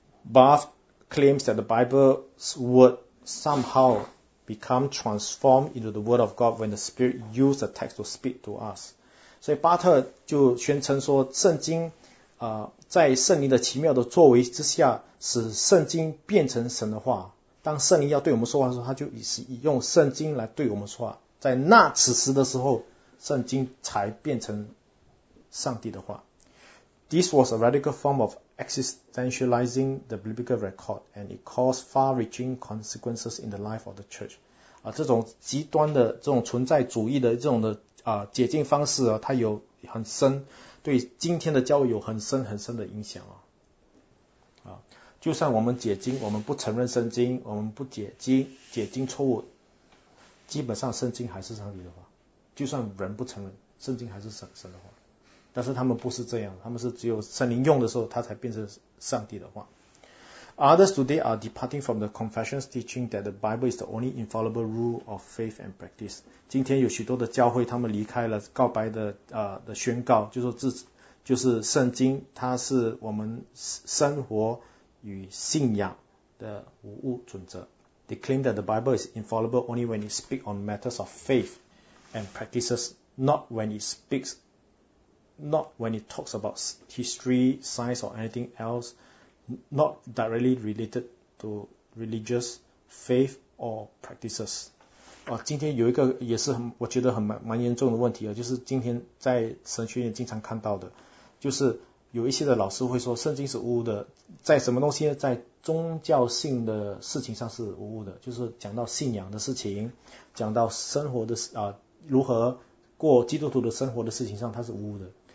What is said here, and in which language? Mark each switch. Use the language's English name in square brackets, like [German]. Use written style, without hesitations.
[English] Barth claims that the Bible's word somehow become transformed into the word of God when the Spirit used the text to speak to us。 [Chinese] 所以巴特就宣称说，圣经在圣灵的奇妙的作为之下，使圣经变成神的话。当圣灵要对我们说话的时候，他就用圣经来对我们说话。在那此时的时候，圣经才变成上帝的话。 [English] This was a radical form of existentializing the biblical record, and it caused far-reaching consequences in the life of the church. [Chinese] 这种极端的这种存在主义的这种的解禁方式它有很深，对今天的教育有很深很深的影响就算我们解禁，我们不承认圣经，我们不解禁错误，基本上圣经还是上帝的话。就算人不承认，圣经还是神的话。但是他们不是这样，他们是只有圣灵用的时候，他才变成上帝的话。 [English] Others today are departing from the confessions teaching that the Bible is the only infallible rule of faith and practice. [Chinese] 今天有许多的教会，他们离开了告白的宣告，就是圣经，它是我们生活与信仰的无误准则。 [English] They claim that the Bible is infallible only when it speaks on matters of faith and practices, not when it talks about history, science, or anything else, not directly related to religious faith or practices. [Chinese] 今天有一个也是很我觉得很蛮严重的问题就是今天在神学院经常看到的，就是有一些的老师会说圣经是无误的，在什么东西呢？在宗教性的事情上是无误的，就是讲到信仰的事情，讲到生活的如何过基督徒的生活的事情上，它是无误的。